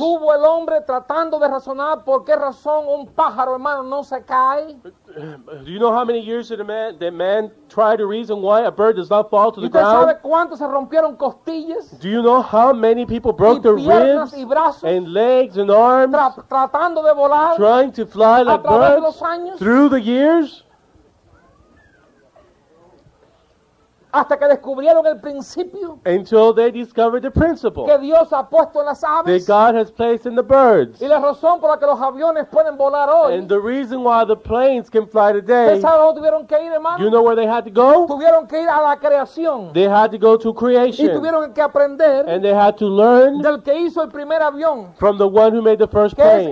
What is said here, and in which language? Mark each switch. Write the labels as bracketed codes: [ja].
[es] Tuvo el hombre tratando de razonar por qué razón un pájaro, hermano, no se cae. [en] Do you know how many years did a man try to reason why a bird does not fall to the ground? [es] ¿Y usted sabe cuántos se rompieron costillas? [en] Do you know how many people broke their ribs [es] y brazos [en] and legs and arms? [es] Tratando de volar. [en] Trying to fly like [es] a través [en] birds [es] de los años? [en] Through the years. [es] Hasta que descubrieron el principio. [en] Until they discovered the principle. [es] Que Dios ha puesto en las aves. [en] That God has placed in the birds. [es] Y la razón por la que los aviones pueden volar hoy. [en] And the reason why the planes can fly today. [es] ¿Sabes dónde tuvieron que ir, hermano? [en] You know where they had to go? [es] Tuvieron que ir a la creación. [en] They had to go to creation. [es] Y tuvieron que aprender. [en] And they had to learn. [es] Del que hizo el primer avión. [en] From the one who made the first plane.